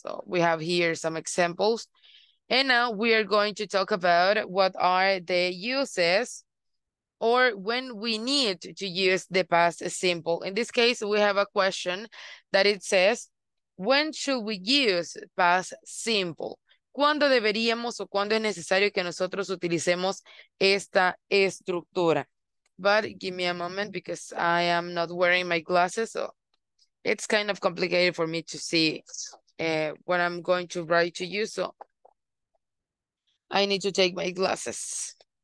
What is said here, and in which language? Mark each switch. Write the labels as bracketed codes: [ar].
[en] So we have here some examples. And now we are going to talk about what are the uses, or when we need to use the past simple. In this case, we have a question that it says, when should we use past simple? [es] ¿Cuándo deberíamos o cuándo es necesario que nosotros utilicemos esta estructura? [en] But give me a moment because I am not wearing my glasses, so it's kind of complicated for me to see what I'm going to write to you, so I need to take my glasses.